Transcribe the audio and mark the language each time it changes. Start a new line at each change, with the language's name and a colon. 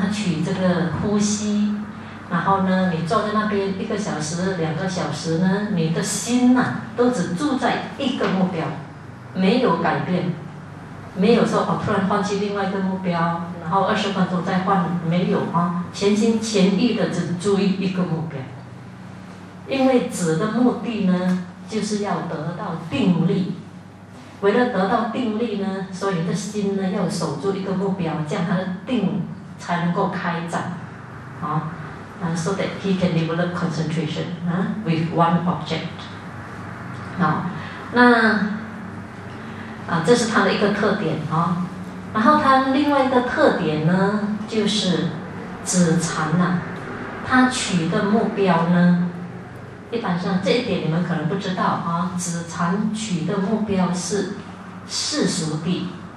Chinese: 它取这个呼吸，然后呢，你坐在那边一个小时、两个小时呢，你的心呐、啊，都只住在一个目标，没有改变，没有说哦，突然换去另外一个目标，然后二十分钟再换，没有啊，全心全意的只注意一个目标。因为止的目的呢，就是要得到定力。为了得到定力呢，所以你的心呢要守住一个目标，这样它的定才能够开展啊。
English: So that he can develop concentration with one object。
Chinese: 好，那啊，这是它的一个特点啊。然后它另外一个特点呢，就是止禅呐，它取的目标呢。一般上这一点你们可能不知道啊，止禅取的目标是世俗地。